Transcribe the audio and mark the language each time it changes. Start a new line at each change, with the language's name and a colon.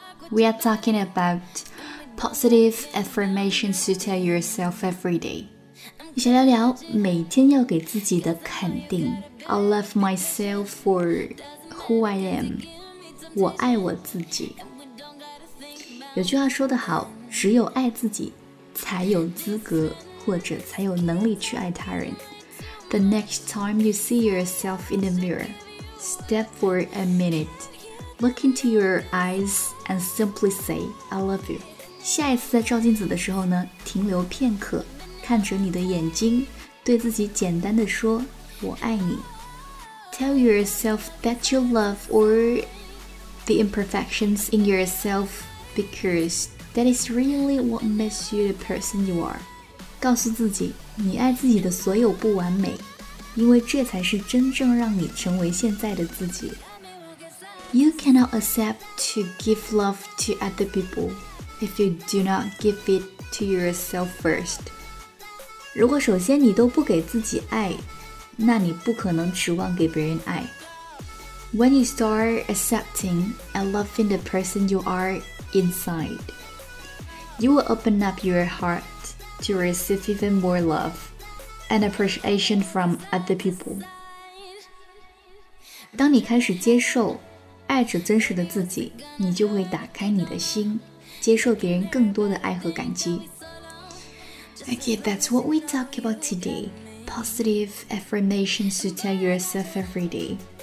English: We are talking about positive affirmations to tell yourself every day，
Chinese: 一起聊聊每天要给自己的肯定。
English: I love myself for who I am，
Chinese: 我爱我自己。有句话说得好，只有爱自己才有资格或者才有能力去爱他人。
English: The next time you see yourself in the mirror, step for a minute, look into your eyes and simply say, I love you.
Chinese: 下一次在照镜子的时候呢，停留片刻，看着你的眼睛，对自己简单的说，我爱你。
English: Tell yourself that you love or the imperfections in yourself becauseThat is really what makes you the person you are.
Chinese: 告诉自己，你爱自己的所有不完美，因为这才是真正让你成为现在的自己。
English: You cannot accept to give love to other people if you do not give it to yourself first.
Chinese: 如果首先你都不给自己爱，那你不可能指望给别人爱。
English: When you start accepting and loving the person you are inside,You will open up your heart to receive even more love and appreciation from other people.
Chinese: 当你开始接受爱着真实的自己，你就会打开你的心，接受别人更多的爱和感激。
English: Okay, that's what we talk about today. Positive affirmations to tell yourself every day.